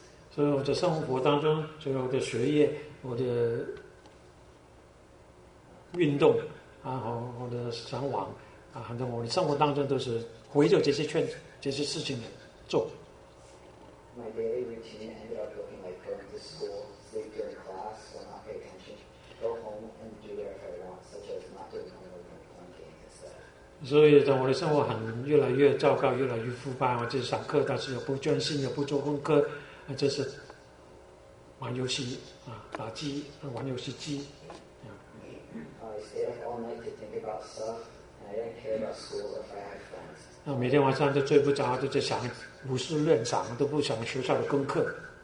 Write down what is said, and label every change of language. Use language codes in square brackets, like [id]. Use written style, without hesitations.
[zh] 所以我在生活当中，所以我的学业、我的运动，然后我的上网，啊，反正我的生活当中都是围着这些事情做。 [en] My daily routine ended up looking like going to school, sleep during class, or not pay attention, go home and do whatever I want, such as not doing homework and playing games and stuff. [zh] 所以等我的生活很越来越糟糕，越来越腐败，我就是上课，但是又不专心，又不做功课，啊，就是玩游戏啊，打机，玩游戏机。 [en] I stayed up all night to think about stuff, and I didn't care about school or if I had friends. [zh] 每天晚上都睡不着，都在想无事乱想，都不想学校的功课。